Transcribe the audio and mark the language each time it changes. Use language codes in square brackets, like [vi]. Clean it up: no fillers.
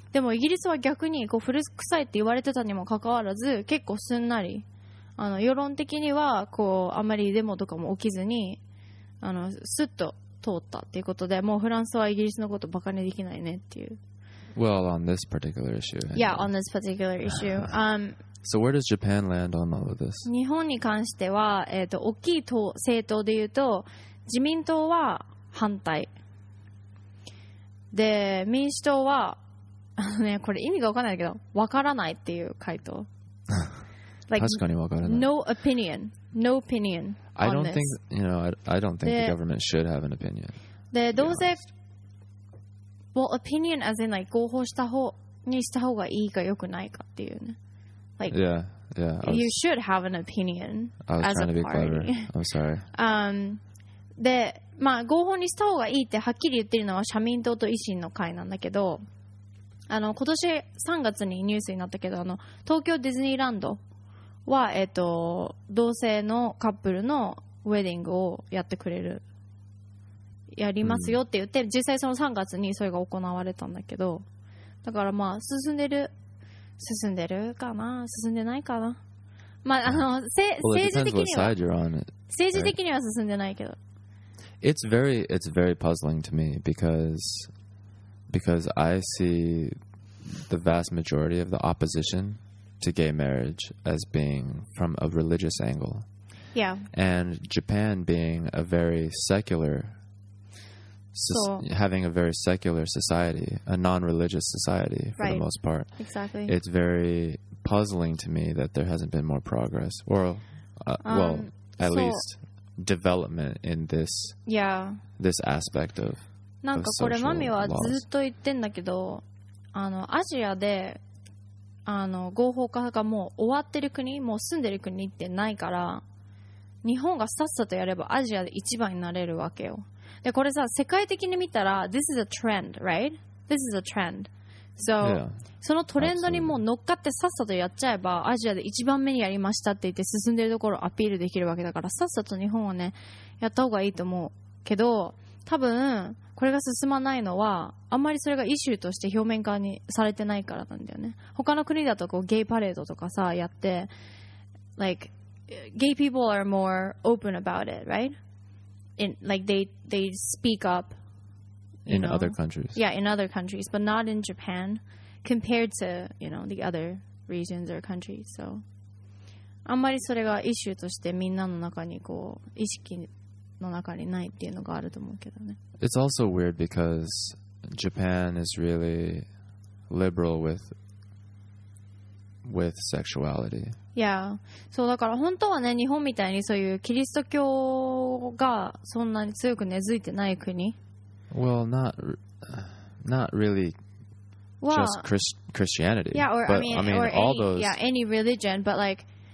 [ja] でもイギリスは逆にこう古臭いって言われてたにもかかわらず結構すんなり、世論的にはこうあまりデモとかも起きずにスッと通ったっていうことで、もうフランスはイギリスのことバカにできないねっていう。 [en] Well, on this particular issue. Yeah, on this particular issue. So where does Japan land on all of this? [ja] 日本に関しては、大きい党政党で言うと自民党は反対で、民主党はね、これ意味が分からないけど分からないっていう回答。 Like, 確かに分からない。 [en] No opinion. No opinion. I don't think, I don't think the government should have an opinion. [ja] で、どうせ、 [en] well, opinion as in like [ja] 合法した方にした方がいいか良くないかっていうね。Like, [en] yeah. You should have an opinion. I was trying to be clever. I'm sorry. [ja] で、まあ合法にした方がいいってはっきり言ってるのは社民党と維新の会なんだけど、今年3月にニュースになったけど、東京ディズニーランドは、同性のカップルのウェディングをやってくれる、やりますよって言って、うん、実際その3月にそれが行われたんだけど、だからまあ進んでるかな、進んでないかな、まあ政治的には進んでないけど、 [en] It's very puzzling to me because I see the vast majority of the opposition to gay marriage as being from a religious angle. Yeah. And Japan being a very secular, having a very secular society, a non-religious society for right. the most part. Exactly. It's very puzzling to me that there hasn't been more progress or, at least development in this, yeah. this aspect of. [ja] なんかこれマミはずっと言ってんだけど、アジアで合法化がもう終わってる国、もう住んでる国ってないから、日本がさっさとやればアジアで一番になれるわけよ。でこれさ、世界的に見たら [en] This is a trend, right? This is a trend. So, yeah. [ja] そのトレンドにもう乗っかってさっさとやっちゃえば、アジアで一番目にやりましたって言って進んでるところをアピールできるわけだから、さっさと日本はねやった方がいいと思うけど、多分これが進まないのはあんまりそれがイシューとして表面化にされてないからなんだよね。他の国だとこうゲイパレードとかさやって [en] like gay people are more open about it, right? In like they speak up in other countries. Yeah, in other countries, but not in Japan compared to, the other regions or countries. [ja] So あんまりそれがイシューとしてみんなの中にこう意識の中にないっていうのがあると思うけどね。 [en] It's also weird because Japan is really liberal with sexuality. Yeah. [ja] そうだから本当はね、日本みたいにそういうキリスト教がそんなに強く根付いてない国。 [en] Well, not really. Well, just Christianity. Yeah, or but, I mean or all those. Yeah, any religion, but like